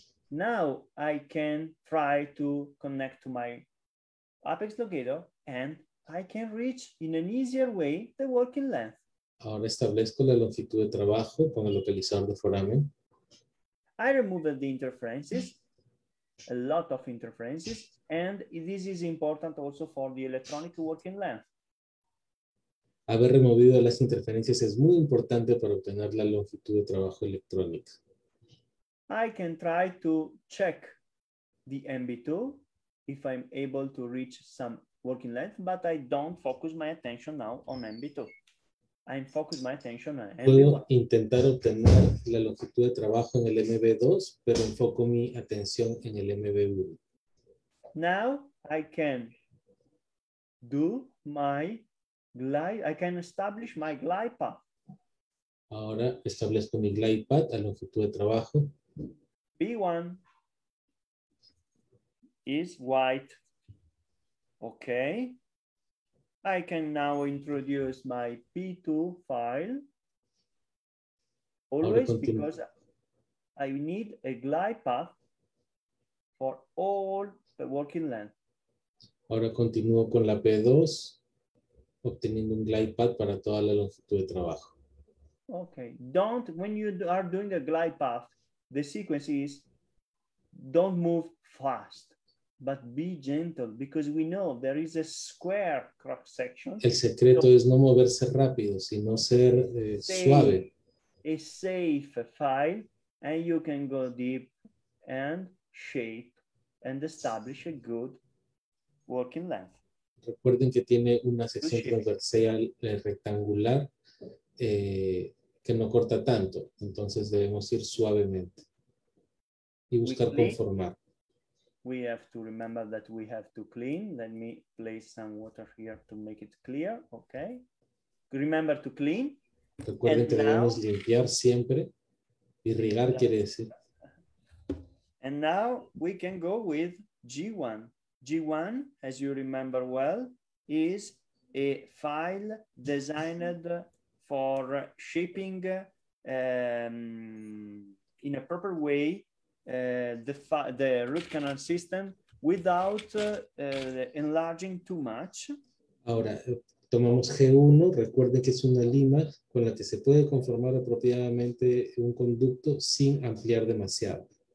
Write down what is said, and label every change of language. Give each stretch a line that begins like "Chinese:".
English: Now I can try to connect to my apex locator and I can reach in an easier way the working length.
Spanish: Ahora establezco la longitud de trabajo con el localizador de foramen.
English: I removed the interferences, a lot of interferences, and this is important also for the electronic working length.
Spanish: Haber removido las interferencias es muy importante para obtener la longitud de trabajo electrónica.
English: I can try to check the MB2 if I'm able to reach some working length, but I don't focus my attention now on MB2. I'm focus my attention on MB1.
Spanish: Puedo intentar obtener la longitud de trabajo en el MB2, pero enfoco mi atención en el MB1.
English: Now I can do my glide. I can establish my glide path.
Spanish: Ahora establezco mi glide path a longitud de trabajo.
English: B1 is white. Okay. I can now introduce my P2 file. Always because I need a glide path for all the working length.
Spanish: Ahora continúo con la P2, obteniendo un glide path para toda la longitud de trabajo.
English: Okay. Don't, when you are doing a glide path, the sequence is don't move fast, but be gentle because we know there is a square cross section.
Spanish: El secreto es no moverse rápido, sino ser suave.
English: A safe file, and you can go deep and shape and establish a good working length.
Spanish: Recuerden que tiene una sección transversal rectangular que no corta tanto, entonces debemos ir suavemente. Y buscar conformar.
English: We have to remember that we have to clean. Let me place some water here to make it clear. Okay. Remember to clean.
Spanish: Recuerden que debemos limpiar siempre. Irrigar quiere decir.
English: And now we can go with G1. G1, as you remember well, is a file designed for shaping in a proper way. The root canal system without enlarging too much.
Spanish: Ahora, tomamos G1, recuerden que es una lima con la que se puede conformar apropiadamente un conducto sin ampliar demasiado.